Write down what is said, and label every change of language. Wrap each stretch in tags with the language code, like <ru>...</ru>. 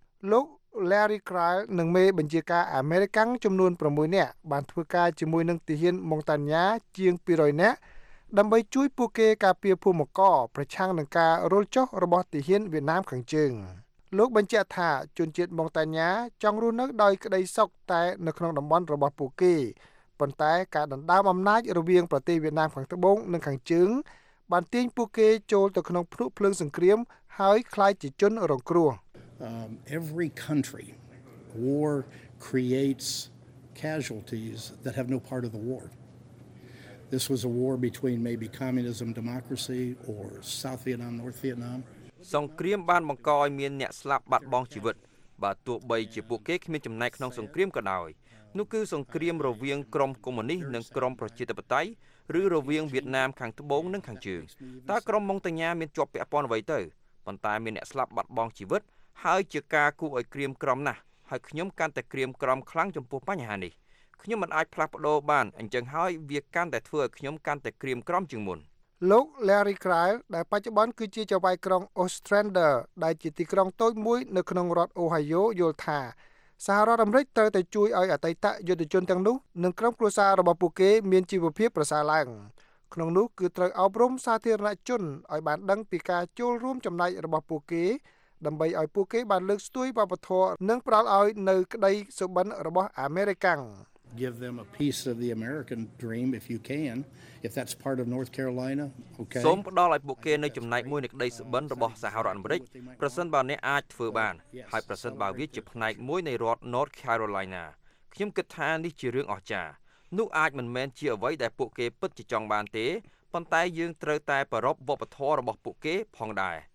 <km>លោក Larry Kyle និងមេបញ្ជាការអាមេរិកាំងចំនួន6នាក់បានធ្វើការជាមួយនឹងទាហាន Montagna ជាង200នាក់ដើម្បីជួយពួកគេការពារភូមិករប្រឆាំងនឹងការរុលចុះរបស់ទាហានវៀតណាមខាងជើងលោកបញ្ជាក់ថាជនជាតិ Montagna ចង់រស់នៅដោយក្តីសុខតែនៅក្នុងតំបន់របស់ពួកគេប៉ុន្តែការដណ្ដើមអំណាចរវាងប្រទេសវៀតណាមខាងត្បូងនិងខាងជើងបានទាញពួកគេចូលទៅក្នុងភ្នក់ភ្លើងសង្គ្រាមហើយក្លាយជាជនរងគ្រោះ</km> <en>Every country war creates casualties that have no part of the war. This was a war between maybe communism democracy or South Vietnam North Vietnam.</en> <km>សង្គ្រាមបានបង្កឲ្យមានអ្នកស្លាប់បាត់បង់ជីវិតបើទោះបីជាពួកគេគ្មានចំណែកក្នុងសង្គ្រាមក៏ដោយនោះគឺសង្គ្រាមរវាងក្រុមកុម្មុយនីសនិងក្រុមប្រជាធិបតេយ្យឬរវាងវៀតណាមខាងត្បូងនិងខាងជើងតើក្រុមម៉ង់តាញ៉ាមានជាប់ពាក់ព័ន្ធអ្វីទៅប៉ុន្តែមានអ្នកស្លាប់បាត់បង់ជីវិតហើយជាការគូឲ្យក្រៀមក្រំណាស់ហើយខ្ញុំកាន់តែក្រៀមក្រំខ្លាំងចំពោះបញ្ហានេះខ្ញុំមិនអាចផ្លាស់ប្ដូរបានអញ្ចឹងហើយវាកាន់តែធ្វើឲ្យខ្ញុំកាន់តែក្រៀមក្រំជាងមុន លោក Larry Kyle ដែលបច្ចុប្បន្នគឺជាចៅហ្វាយក្រុង Ostrander ដែលជាទីក្រុងតូចមួយនៅក្នុងរដ្ឋ Ohio យល់ថាសហរដ្ឋអាមេរិកត្រូវតែជួយឲ្យអតីតយុទ្ធជនទាំងនោះនិងក្រុមគ្រួសាររបស់ពួកគេមានជីវភាពប្រសើរឡើងក្នុងនោះគឺត្រូវអប់រំសាធារណជនឲ្យបានដឹងពីការចូលរួមចំណែករបស់ពួកគេដើម្បីឲ្យពួកគេបានលើកស្ទួយវប្បធម៌និងផ្តល់ឲ្យនៅក្តីសុបិនរបស់អាមេរិកាំង</km> <en>Give them a piece of the American dream if you can if that's part of North Carolina okay</en> <km>សូមផ្តល់ឲ្យពួកគេនៅចំណែកមួយនៃក្តីសុបិនរបស់សហរដ្ឋអាមេរិកប្រសិនបើអ្នកអាចធ្វើបានហើយប្រសិនបើវាជាផ្នែកមួយនៃរដ្ឋ North Carolina ខ្ញុំគិតថានេះជារឿងអស្ចារ្យនោះអាចមិនមែនជាអ្វីដែលពួកគេពិតជាចង់បានទេប៉ុន្តែយើងត្រូវតែប្រពន្ធវប្បធម៌របស់ពួកគេផងដែរ</km>